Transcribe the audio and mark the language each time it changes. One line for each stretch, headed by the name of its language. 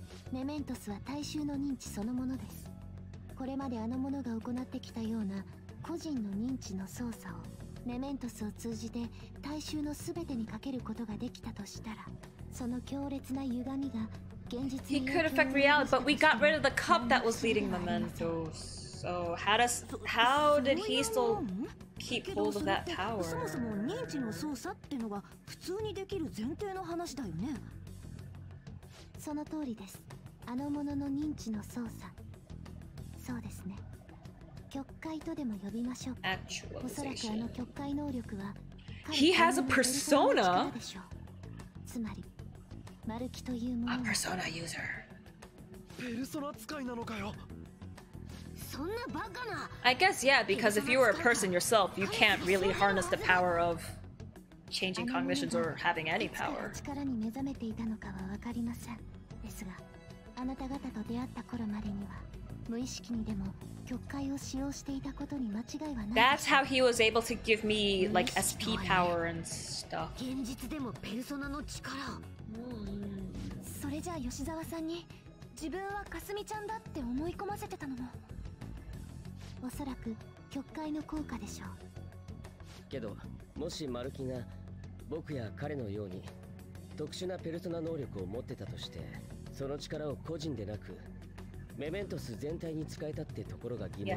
Japanese: メメントスは大衆の認知そのものです。これまであの者が行ってきたような個人の認知の操作をメメントスを通じて大衆のすべてにかけることができたとしたら。その強烈な歪みが現実に
English: He could affect reality, but we got rid of the cup that was leading Mementos. So how does how did he still keep hold of that power?
Japanese: そもそも認知の操作ってのが普通にできる前提の話だよね。その通りです。あの者の認知の操作。そうですね。曲解とでも呼びましょう。
English: Actualization.
Japanese: おそらくあの曲解能力は
English: He has a persona.
Japanese: つまり。マルキというもの。
English: A persona user.
Japanese: ペルソナ使いなのかよ。そんなバカな。
English: I guess yeah, because if you were a person yourself, you can't really harness the power of changing cognitions or having any power.
Japanese: 力に目覚めていたのかはわかりません。ですが、あなた方と出会った頃までには、無意識にでも曲解を使用していたことに間違いはない。
English: That's how he was able to give me like SP power and stuff.
Japanese: 現実でもペルソナの力。それじゃあ吉沢さんに自分はかすみちゃんだって思い込ませてたのもおそらく曲解の効果でしょうけどもしマルキが僕や彼のように特殊なペルソナ能力を持ってたとしてその力を個人でなくメメントス全体に使えたってところが疑問だ